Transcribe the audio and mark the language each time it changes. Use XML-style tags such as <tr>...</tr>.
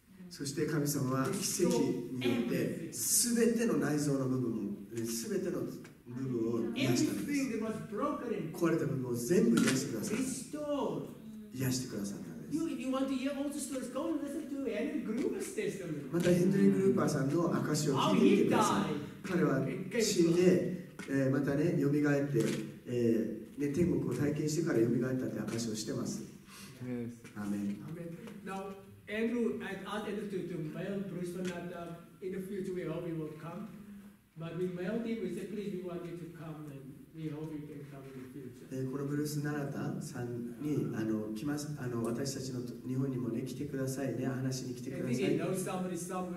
<ja>そして神様は奇跡によって全ての内臓の部分も全ての部分を癒したんです。壊れた部分を全部癒してくださった。癒してくださったんです。</ja> <en>If you want to hear all the stories, go and listen to Henry Gruber's testimony.</en> <ja>またヘンドリー・グルーパーさんの証を聞いてください。彼は死んで、またね、蘇って、ね、天国を体験してから蘇ったって証をしてます。</ja> <en>Yes. Amen. Amen. Now, Andrew, I'd ask Andrew to mail Bruce Fernanda. In the future, we hope he will come. But we mailed him, we said, please, we want you to come and we hope you can come in the future.</en> <ja>このブルース・ナラタさんに来ます。私たちの日本にも、ね、来てくださいね、話しに来てください。</ja>